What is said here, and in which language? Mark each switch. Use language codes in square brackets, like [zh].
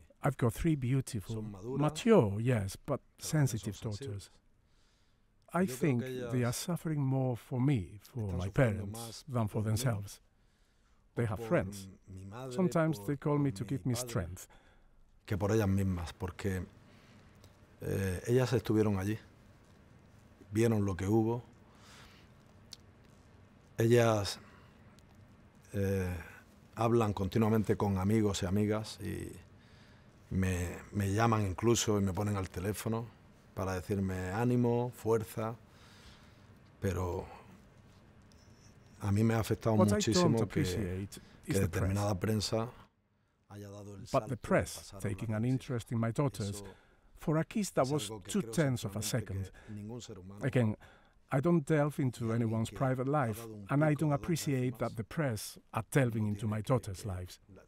[en] I've got three beautiful, mature, yes, but sensitive daughters. I think they are suffering more for me, for my parents, than for themselves. They have friends. Sometimes they call me to give me strength. [es] Que por ellas mismas, porque ellas estuvieron allí, vieron lo que hubo. Ellas. Hablan continuamente con amigos y amigas y me llaman incluso y me ponen al teléfono para decirme ánimo, fuerza, pero a mí me ha afectado [en] what [es] muchísimo que determinada prensa haya dado el salto. [en] The press taking an interest in my daughters for a kiss that was 2/10 of a second. Again, I don't delve into anyone's private life, and I don't appreciate that the press are delving into my daughters' lives.